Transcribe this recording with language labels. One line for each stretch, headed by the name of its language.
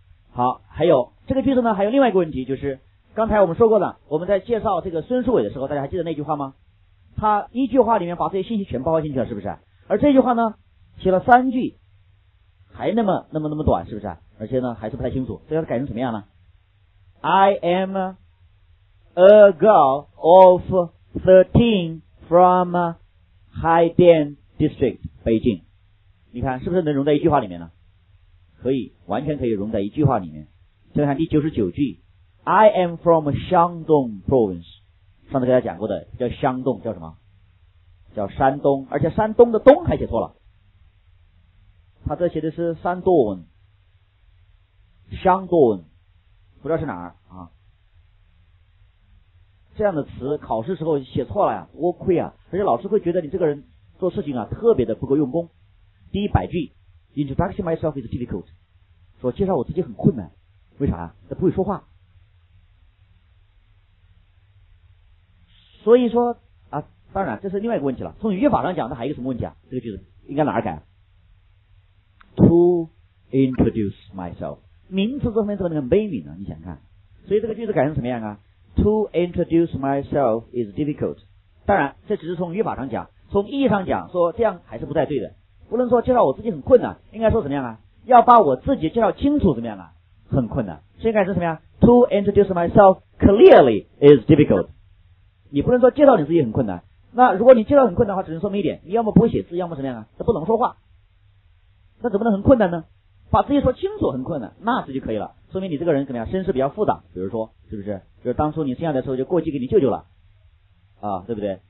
Chinese: 好，还有这个句子呢，还有另外一个问题，就是刚才我们说过的，我们在介绍这个孙树伟的时候，大家还记得那句话吗？他一句话里面把这些信息全包进去了，是不是？而这句话呢，写了三句，还那么短，是不是？而且呢，还是不太清楚，这要改成什么样呢？
English: I am A girl of 13 from Haidian District, 北京。
Chinese: 你看是不是能融在一句话里面呢？可以，完全可以融在一句话里面。再看第99句，
English: I am from Shandong Province。
Chinese: 上次跟大家讲过的叫香洞，叫什么？叫山东，而且山东的东还写错了，他这写的是山东，香洞不知道是哪儿啊。这样的词考试时候写错了呀，多亏啊！而且老师会觉得你这个人做事情啊特别的不够用功。第100句 ，
English: Introduction myself is difficult，
Chinese: 说介绍我自己很困难，为啥呀？他不会说话。所以说啊，当然这是另外一个问题了。从语法上讲，那还有一个什么问题啊？这个句子应该哪儿改 ？
English: To introduce myself，
Chinese: 名词这方面怎么能美语呢？你想看，所以这个句子改成什么样啊？
English: To introduce myself is difficult。
Chinese: 当然这只是从语法上讲，从意义上讲说这样还是不太对的，不能说介绍我自己很困难，应该说怎么样啊？要把我自己介绍清楚怎么样啊？很困难，所以该是什么呀？
English: To introduce myself clearly is difficult。
Chinese: 你不能说介绍你自己很困难，那如果你介绍很困难的话，只能说明一点，你要么不会写字，要么什么样啊？这不能说话，那怎么能很困难呢？把自己说清楚很困难，那这就可以了，说明你这个人怎么样，身世比较复杂，比如说是不是，就是当初你生下的时候就过继给你舅舅了啊，对不对？